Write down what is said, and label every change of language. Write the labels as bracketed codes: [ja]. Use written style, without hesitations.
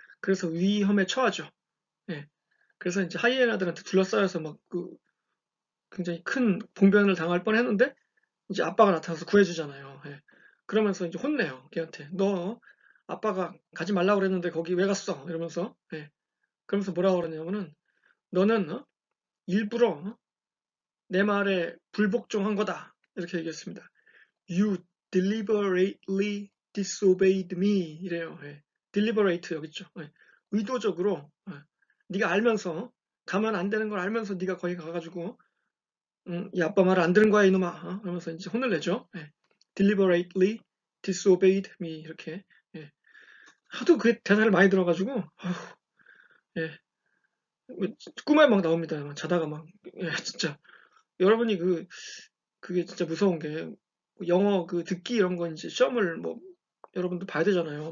[ko] 그래서 위험에 처하죠. 예. 그래서 이제 하이에나들한테 둘러싸여서 막그 굉장히 큰 봉변을 당할 뻔 했는데, 이제 아빠가 나타나서 구해주잖아요. 예. 그러면서 이제 혼내요, 걔한테. 너 아빠가 가지 말라고 그랬는데 거기 왜 갔어? 이러면서. 예. 그러면서 뭐라고 그러냐면은, 너는 일부러 내 말에 불복종한 거다. 이렇게 얘기했습니다. [en] You deliberately disobeyed me. [ko] 이래요. 예. Deliberate 여기 있죠. 네. 의도적으로, 네. 네가 알면서, 가면 안 되는 걸 알면서 네가 거기 가가지고 이 아빠 말안 들은 거야, 이놈아. 하면서 이제 혼을 내죠. 예. [en] Deliberately disobeyed me. [ko] 이렇게. 예. 하도 그 대사를 많이 들어가지고, 예. 꿈에 막 나옵니다. 막 자다가 막. 예, 진짜. 여러분이 그게 진짜 무서운 게, 영어 그 듣기 이런 건 이제 시험을 뭐, 여러분도 봐야 되잖아요.